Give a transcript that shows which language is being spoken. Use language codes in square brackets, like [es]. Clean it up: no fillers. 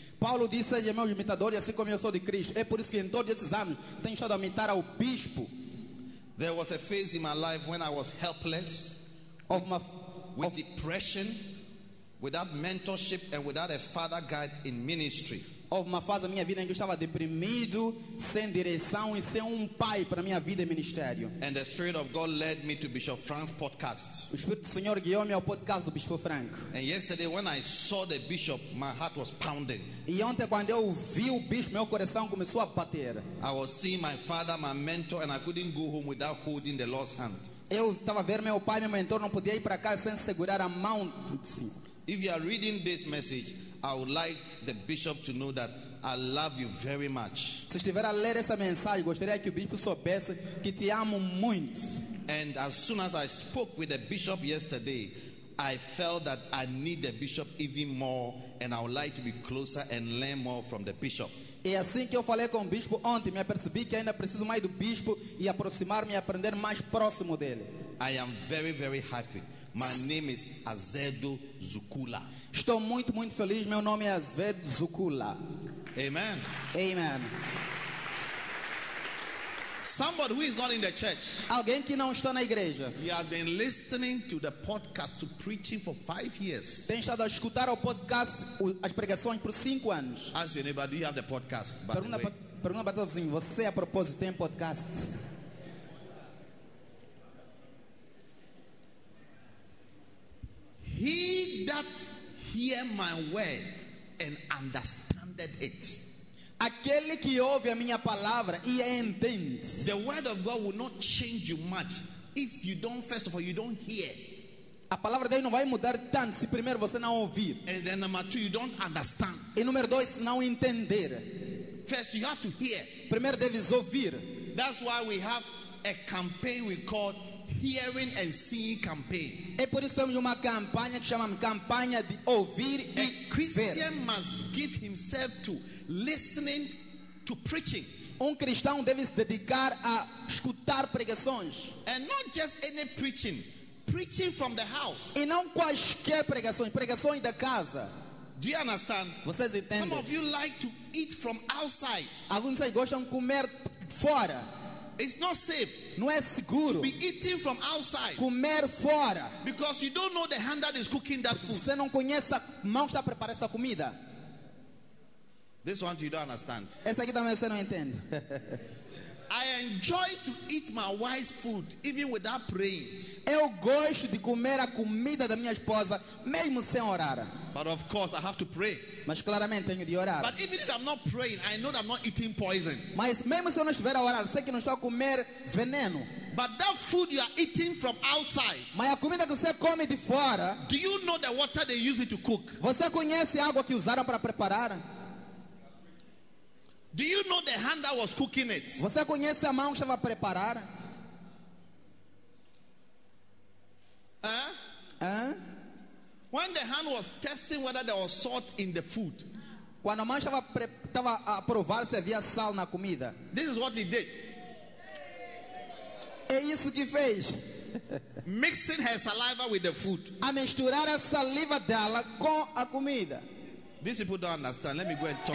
[pt] Paulo disse, seja meu imitador e assim como eu sou de Cristo. É por isso que em todos esses anos tenho estado a imitar ao bispo. [en] There was a phase in my life when I was helpless, with depression, without mentorship and without a father guide in ministry. [pt] Houve uma fase na minha vida em que eu estava deprimido, sem direção e sem pai para minha vida e ministério. [en] And the Spirit of God led me to Bishop Frank's podcast. [pt] O Espírito do Senhor guiou-me ao podcast do Bispo Frank. [en] And yesterday when I saw the bishop, my heart was pounding. [pt] E ontem quando eu vi o bispo, meu coração começou a bater. [en] I was seeing my father, my mentor, and I couldn't go home without holding the Lord's hand. [pt] Eu estava a ver meu pai, meu mentor, não podia ir para casa sem segurar a mão do Senhor. [en] If you are reading this message, I would like the bishop to know that I love you very much. [pt] Se estiver a ler essa mensagem, gostaria que o bispo soubesse que te amo muito. [en] And as soon as I spoke with the bishop yesterday, I felt that I need the bishop even more, and I would like to be closer and learn more from the bishop. [pt] E assim que eu falei com o bispo ontem, me apercebi que ainda preciso mais do bispo e aproximar-me e aprender mais próximo dele. [en] I am very, very happy. My name is Azedo Zukula. [pt] Estou muito, muito feliz. Meu nome é Azedo Zukula. [en] Amen. [pt] Amen. [en] Somebody who is not in the church. [pt] Alguém que não está na igreja. [en] He has been listening to the podcast to preaching for 5 years. [pt] Tem estado a escutar o podcast, as pregações por 5 anos. [en] Ask anybody, do you have the podcast? [pt] Pergunta para o vizinho, você a propósito tem podcast? [en] He that hear my word and understandeth it. [pt] Aquele que ouve a minha palavra e a entende. [en] The word of God will not change you much if you don't, first of all, you don't hear. [pt] A palavra dele não vai mudar tanto se primeiro você não ouvir. [en] And then number two, you don't understand. [pt] E número dois, não entender. [en] First, you have to hear. [pt] Primeiro deves ouvir. [en] That's why we have a campaign we call Hearing and Seeing campaign. [pt] É por isso que temos uma campanha que chamamos campanha de ouvir e ver. [en] A Christian must give himself to listening to preaching. [pt] Cristão deve se dedicar a escutar pregações. [en] And not just any preaching, preaching from the house. [pt] E não quaisquer pregações, pregações da casa. [en] Do you understand? [pt] Vocês entendem? [en] Some of you like to eat from outside. [pt] Alguns aí gostam de comer fora. [en] It's not safe. [pt] Não é seguro. [en] To be eating from outside. [pt] Comer fora. [en] Because you don't know the hand that is cooking that food. [pt] Você não conhece a mão que está a preparar essa comida. [en] This one you don't understand. [pt] Essa aqui também você não entende. [en] I enjoy to eat my wife's food even without praying. [pt] Eu gosto de comer a comida da minha esposa mesmo sem orar. [en] But of course I have to pray. [pt] Mas claramente tenho de orar. [en] But even if I'm not praying, I know that I'm not eating poison. [pt] Mas mesmo se eu não estiver a orar, sei que não estou a comer veneno. [en] But that food you are eating from outside. [pt] Mas a comida que você come de fora. [en] Do you know the water they use it to cook? [pt] Você conhece a água que usaram para preparar? [en] Do you know the hand that was cooking it? [pt] Você conhece a mão que estava a preparar? [en] When the hand was testing whether there was salt in the food. [pt] Quando a mão estava a provar se havia sal na comida. [en] This is what he did. [pt] É isso que fez. [en] Mixing her saliva with the food. [pt] A misturar a saliva dela com a comida. [en] These people don't understand. Let me go and talk.